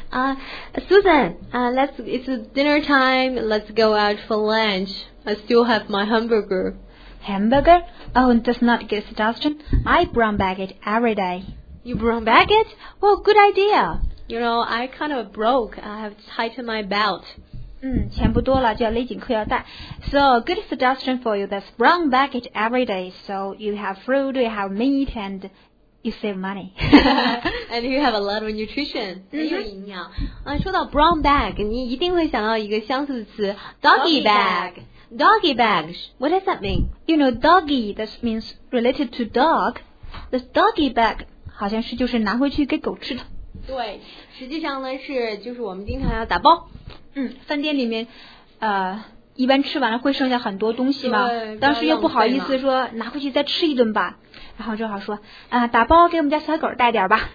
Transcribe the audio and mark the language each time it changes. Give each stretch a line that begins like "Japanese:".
English: So, Susan, it's dinner time, let's go out for lunch. I still have my hamburger. Hamburger? Oh, that's not a good suggestion. I brown bag it every day. You brown bag it? Well, good idea. You know, I kind of broke, I have to tighten my belt.
Chinese: 嗯，钱不多了，就要勒紧裤腰带。
English: So, good suggestion for you, that's brown bag it every day. So, you have fruit, you have meat, andYou save money. And you have a lot of nutrition.
Chinese: 很有营养。说到 brown bag, 你一定会想到一个相似的词 doggy bag.
English: Doggy bag, what does that mean? You know, doggy, that means related to dog.
Chinese: The doggy bag 好像是就是拿回去给狗吃的。对，实际上呢是就是我们经常要打包。嗯，饭店里面一般吃完了会剩下很多东西嘛，当时又不好意思说拿回去再吃一顿吧，然后正好说打包给我们家小狗带点吧。